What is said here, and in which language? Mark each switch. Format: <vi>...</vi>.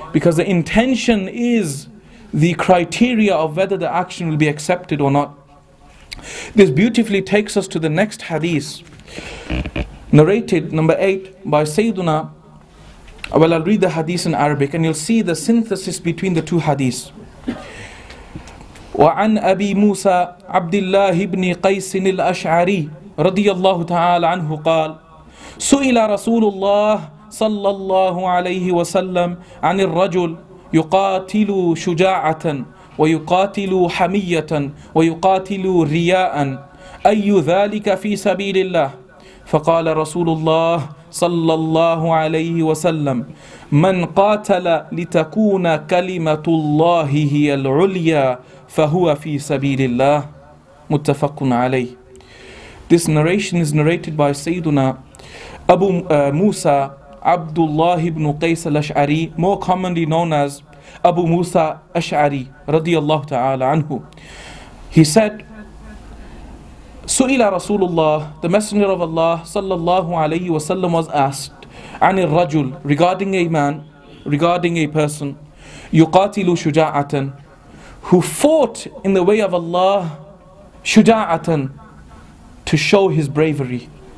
<en>Because the intention is the criteria of whether the action will be accepted or not. This beautifully takes us to the next hadith, narrated number 8 by Sayyiduna. Well, I'll read the hadith in Arabic and you'll see the synthesis between the two hadiths.</en> <ar>وعن أبي موسى عبد الله بن قيس الأشعري رضي الله تعالى عنه قال سئل رسول الله صلى الله عليه وسلم عن الرجل يقاتل شجاعة ويقاتل حمية ويقاتل رياء أي ذلك في سبيل الله فقال رسول الله صلى الله عليه وسلم من قاتل لتكون كلمة الله هي العليا فَهُوَ فِي سَبِيلِ اللَّهِ مُتَّفَقٌ عَلَيْهِ.</ar> <en>This narration is narrated by Sayyiduna Abu Musa Abdullah ibn Qays al-Ash'ari, more commonly known as Abu Musa Ash'ari radiyallahu ta'ala anhu. He said,</en> <ar>سُئِلَ رَسُولُ اللَّهِ,</ar> <en>the Messenger of Allah sallallahu alayhi wa sallam was asked,</en> <ar>عَنِ الرَّجُلِ,</ar> <en>regarding a man, regarding a person,</en> <ar>يُقَاتِلُ شُجَاعَةً,</ar> <en>who fought in the way of Allah, shuja'atan, to show his bravery.</en>